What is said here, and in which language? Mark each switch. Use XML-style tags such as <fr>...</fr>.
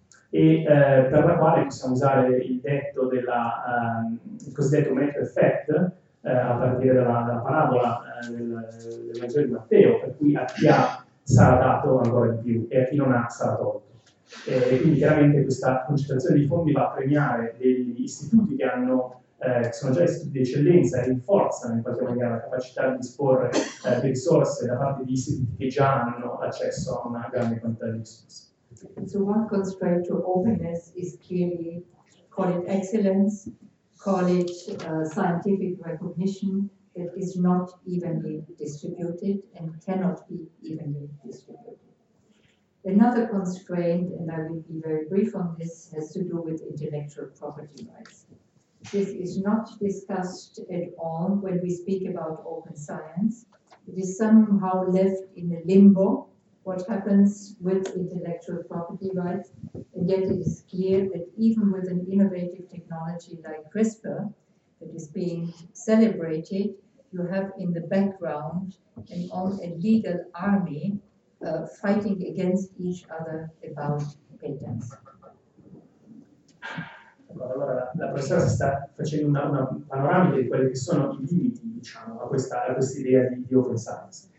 <it>per la quale possiamo usare il detto della il cosiddetto Matthew effect a partire dalla parabola del Vangelo di Matteo, per cui a chi ha sarà dato ancora di più e a chi non ha sarà tolto. E quindi chiaramente questa concentrazione di fondi va a premiare degli istituti che hanno che sono già istituti di eccellenza e rinforzano in qualche maniera la capacità di disporre di risorse da parte di istituti che già hanno accesso a una grande quantità di risorse.</it> <en>So one constraint to openness is clearly, call it excellence, call it scientific recognition that is not evenly distributed and cannot be evenly distributed. Another constraint, and I will be very brief on this, has to do with intellectual property rights. This is not discussed at all when we speak about open science. It is somehow left in a limbo, what happens with intellectual property rights, and yet it is clear that even with an innovative technology like CRISPR that is being celebrated, you have in the background a legal army fighting against each other about patents.</en> <it>Allora, la professoressa sta facendo una panoramica di quelli che sono i limiti, diciamo, a questa idea di open science.</it>